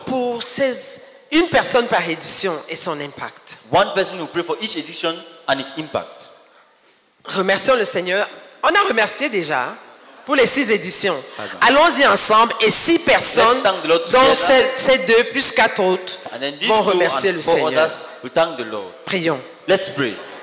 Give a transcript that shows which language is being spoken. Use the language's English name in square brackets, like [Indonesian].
[French] pour ces, une personne par édition et son impact. [English] One person will pray for each edition and its impact. [French] Remercions le Seigneur. On a remercié déjà pour les 6 éditions. Pardon. Allons-y ensemble et 6 personnes dont ces 2 plus 4 autres vont remercier le Seigneur. [English] Others, we thank the Lord. [French] Prions. [English] Let's pray.